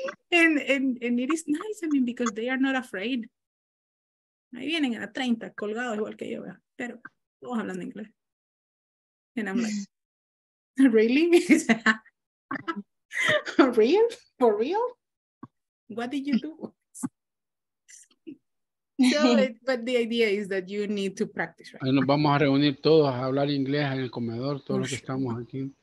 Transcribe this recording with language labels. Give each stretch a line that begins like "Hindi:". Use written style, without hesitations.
English: And it is nice, I mean, because they are not afraid.
Spanish: Ahí vienen en a 30, colgados igual que yo, ¿verdad? Pero todos hablan inglés.
English: And I'm like, really? Real? For real? What did you do? But the idea is that you need to practice, right?
Spanish: Ahí nos vamos a reunir todos a hablar inglés en el comedor, todos los que estamos aquí.